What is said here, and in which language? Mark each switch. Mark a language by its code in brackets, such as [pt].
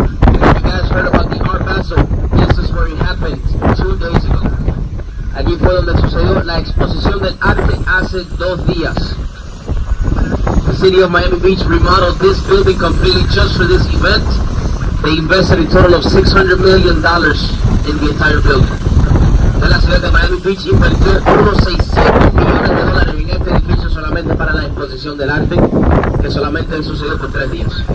[en] If you guys heard about the Art Basel, this is where it happened 2 days ago. [es] Aquí fue donde sucedió la exposición del arte hace 2 días. [en] The city of Miami Beach remodeled this building completely just for this event. They invested a total of $600 million in the entire building. [es] De la ciudad de Miami Beach invirtió unos $600 millones en este edificio solamente para la exposición del arte, que solamente sucedió por 3 días.